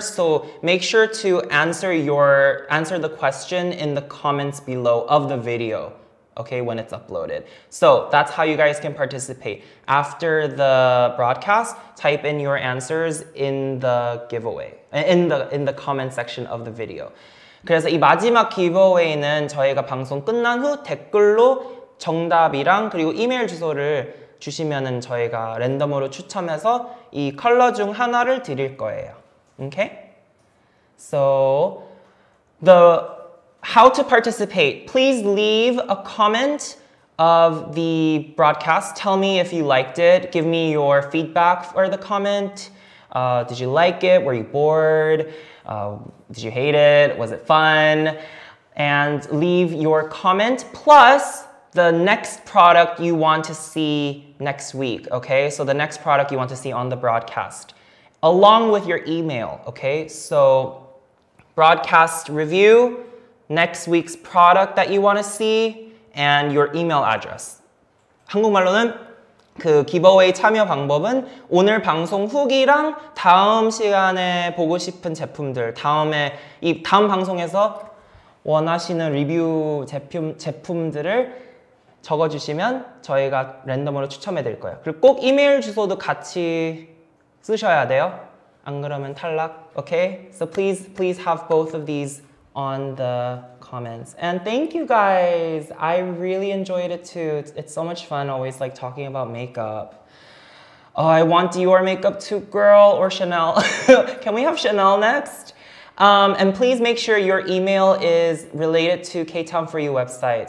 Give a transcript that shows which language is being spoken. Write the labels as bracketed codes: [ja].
[en] So make sure to answer the question in the comments below of the video, okay, when it's uploaded. So that's how you guys can participate. After the broadcast, type in your answers in the giveaway, in the comment section of the video. [ko] 그래서 이 마지막 giveaway는 저희가 방송 끝난 후 댓글로 정답이랑 그리고 이메일 주소를 주시면은 저희가 랜덤으로 추첨해서 이 컬러 중 하나를 드릴 거예요. [en] Okay? So, how to participate. Please leave a comment of the broadcast. Tell me if you liked it. Give me your feedback for the comment. Did you like it? Were you bored? Did you hate it? Was it fun? And leave your comment. Plus, the next product you want to see next week, okay? So the next product you want to see on the broadcast, along with your email, okay? So broadcast review, next week's product that you want to see, and your email address. [ko] 한국말로는 그 giveaway 참여 방법은 오늘 방송 후기랑 다음 시간에 보고 싶은 제품들, 다음에 이 다음 방송에서 원하시는 리뷰 제품들을 적어주시면 저희가 랜덤으로 추첨해 드릴 거예요. 그리고 꼭 이메일 주소도 같이 쓰셔야 돼요. 안 그러면 탈락. Okay? [en] So please, please have both of these on the comments. And thank you guys. I really enjoyed it too. It's so much fun always like talking about makeup. Oh, I want Dior makeup too, girl, or Chanel. Can we have Chanel next? And please make sure your email is related to Ktown4u website.